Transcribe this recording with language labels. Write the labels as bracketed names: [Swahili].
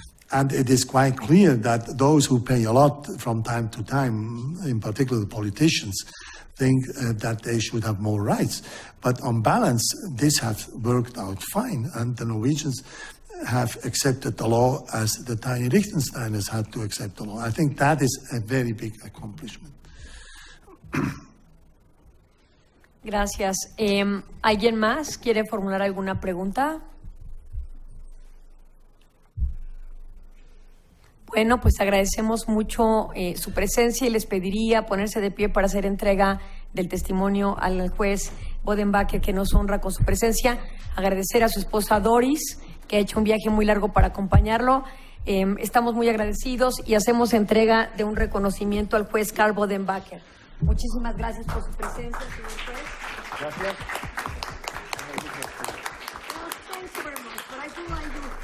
[English] And it is quite clear that those who pay a lot from time to time, in particular the politicians, think that they should have more rights. But on balance, this has worked out fine, and the Norwegians have accepted the law as the tiny Liechtenstein has had to accept the law. I think that is a very big accomplishment. [Spanish] Gracias. ¿Alguien más quiere formular alguna pregunta? Bueno, pues agradecemos mucho su presencia y les pediría ponerse de pie para hacer entrega del testimonio al juez Bodenbacher, que nos honra con su presencia. Agradecer a su esposa Doris, que ha hecho un viaje muy largo para acompañarlo. Estamos muy agradecidos y hacemos entrega de un reconocimiento al juez Carl Bodenbacher. Muchísimas gracias por su presencia, señor juez. Gracias. [English] Thank you very much, but I do want to do.